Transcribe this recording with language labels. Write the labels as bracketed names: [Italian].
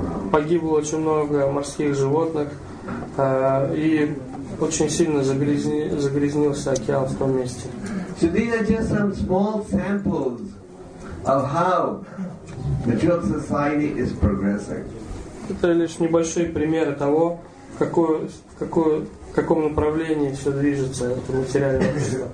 [Russian] Погибло очень много морских животных, и очень сильно загрязнился океан в том месте. [English] So these are just some small samples of how material society is progressing. [Russian] Это лишь небольшие примеры того, в каком направлении все движется это материальное общество.